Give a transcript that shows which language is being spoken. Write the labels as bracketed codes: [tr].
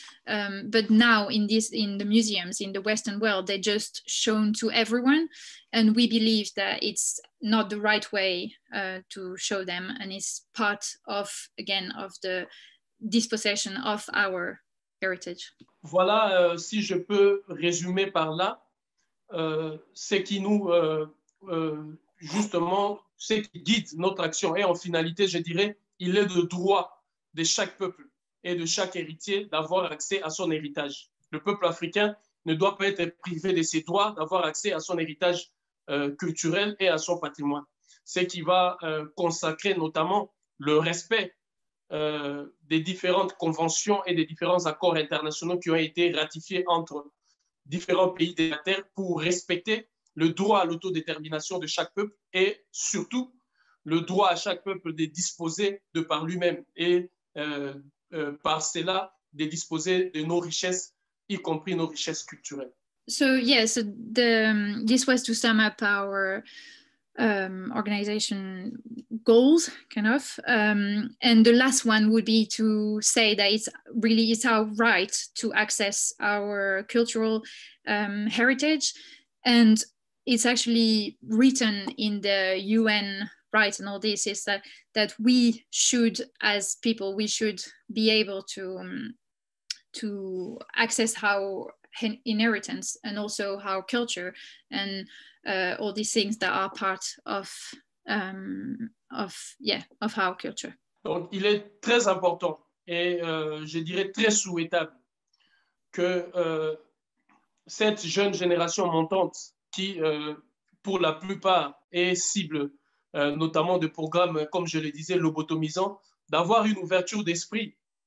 [en] but now in the museums in the Western world, they're just shown to everyone, and we believe that it's not the right way to show them, and it's part of, again, of the dispossession of our heritage. [fr] Voilà, si je peux résumer par là, ce qui nous justement, ce qui guide notre action, et en finalité, je dirais, il est de droit de chaque peuple et de chaque héritier d'avoir accès à son héritage. Le peuple africain ne doit pas être privé de ses droits d'avoir accès à son héritage culturel et à son patrimoine. Ce qui va consacrer notamment le respect des différentes conventions et des différents accords internationaux qui ont été ratifiés entre différents pays de la Terre pour respecter le droit à l'autodétermination de chaque peuple, et surtout le droit à chaque peuple de disposer de par lui-même et par cela de disposer de nos richesses, y compris nos richesses culturelles. [en] So yes, yeah, so this was to sum up our organization goals, kind of. And the last one would be to say that it's our right to access our cultural heritage, and it's actually written in the UN. Right, and all this is that we should, as people, we should be able to access our inheritance and also our culture and all these things that are part of our culture. [fr] Donc, il est très important et je dirais très souhaitable que cette jeune génération montante qui, pour la plupart, est cible notamment de programmes, comme je le disais, lobotomisants, d'avoir une ouverture d'esprit